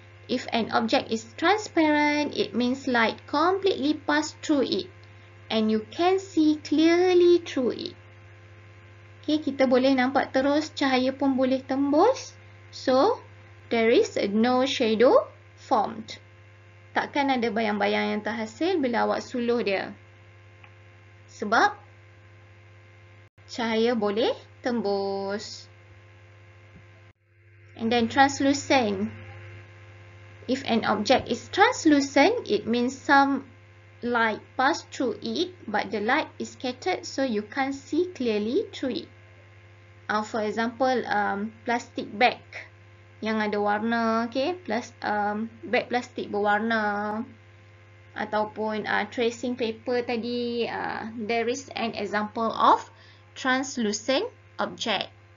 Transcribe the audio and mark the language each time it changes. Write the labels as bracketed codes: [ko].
[en] If an object is transparent, it means light completely passed through it and you can see clearly through it. [ms] Okay, kita boleh nampak terus, cahaya pun boleh tembus. [en] So there is no shadow formed. [ms] Takkan ada bayang-bayang yang terhasil bila awak suluh dia. Sebab cahaya boleh tembus. [en] And then translucent. If an object is translucent, it means some light pass through it, but the light is scattered so you can't see clearly through it. For example, plastic bag [ms] yang ada warna, [en] okay, plus [ms] bag plastik berwarna, ataupun [en] tracing paper tadi, there is an example of translucent object.